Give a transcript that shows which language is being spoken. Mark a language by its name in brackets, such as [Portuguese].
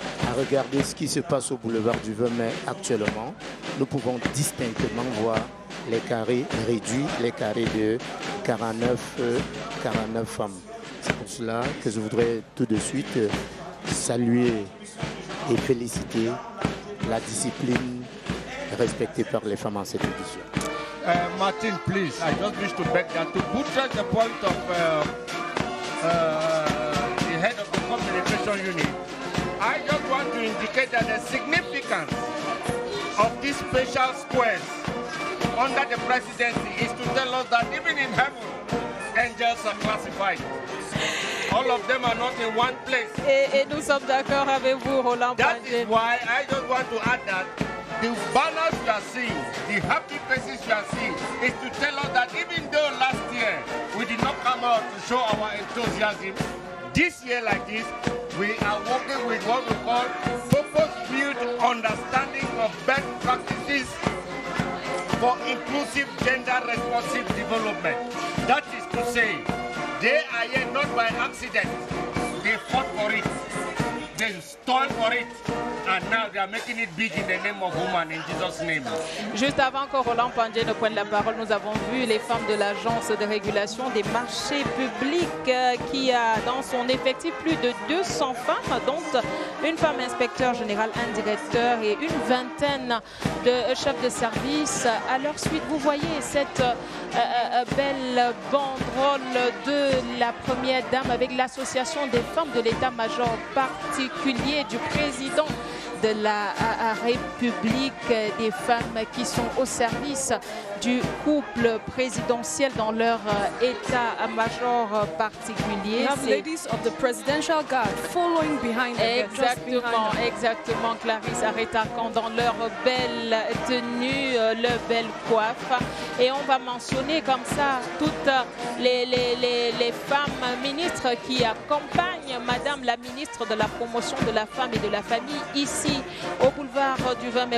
[French] À regarder ce qui se passe au boulevard du 20 mai actuellement, nous pouvons distinctement voir les carrés réduits, les carrés de 49 femmes. C'est pour cela que je voudrais tout de suite saluer et féliciter la discipline respectée par les femmes en cette édition. [English] Martin, please, I don't wish to beg that to put the point of the head of the communication unit. I just want to indicate that the significance of this special square under the presidency is to tell us that even in heaven, angels are classified. All of them are not in one place. [French] Et nous sommes d'accord avec vous, Roland. [English] That is why I just want to add that the banners you are seeing, the happy faces you are seeing, is to tell us that even though last year we did not come out to show our enthusiasm, this year like this, we are working with what we call purpose-built understanding of best practices for inclusive gender-responsive development. That is to say, they are here not by accident. They fought for it. They stood for it. And now they are making it big in the name of woman, in Jesus' name. [French] Juste avant que Roland Pandje ne prenne la parole, nous avons vu les femmes de l'Agence de régulation des marchés publics qui a dans son effectif plus de 200 femmes, dont une femme inspecteur général, un directeur et une vingtaine de chefs de service. À leur suite, vous voyez cette belle banderole de la première dame avec l'association des femmes de l'état-major particulier du président de la République des femmes qui sont au service du couple présidentiel dans leur état-major particulier. [English] We have ladies of the presidential guard following behind them. [French] Exactement, exactement, Clarisse Arétacan dans leur belle tenue, leur belle coiffe. Et on va mentionner comme ça toutes les femmes ministres qui accompagnent Madame la ministre de la Promotion de la Femme et de la Famille ici au boulevard du 20 mai.